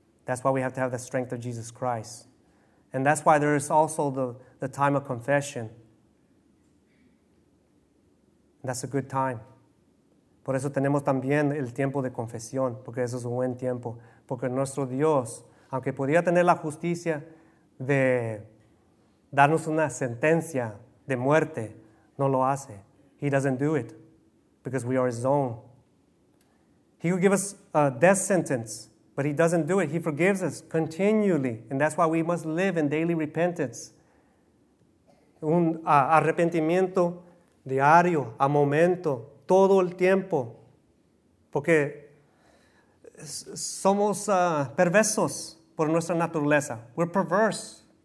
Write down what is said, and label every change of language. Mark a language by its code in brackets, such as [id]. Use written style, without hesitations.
[en] That's why we have to have the strength of Jesus Christ. And that's why there is also the time of confession. That's a good time. [es] Por eso tenemos también el tiempo de confesión, porque eso es un buen tiempo. Porque nuestro Dios, aunque podría tener la justicia de darnos una sentencia de muerte, no lo hace. [en] He doesn't do it, because we are his own. He will give us a death sentence, but he doesn't do it. He forgives us continually, and that's why we must live in daily repentance. [es] Arrepentimiento diario, a momento, todo el tiempo, porque somos perversos por nuestra naturaleza. [en] We're perverse.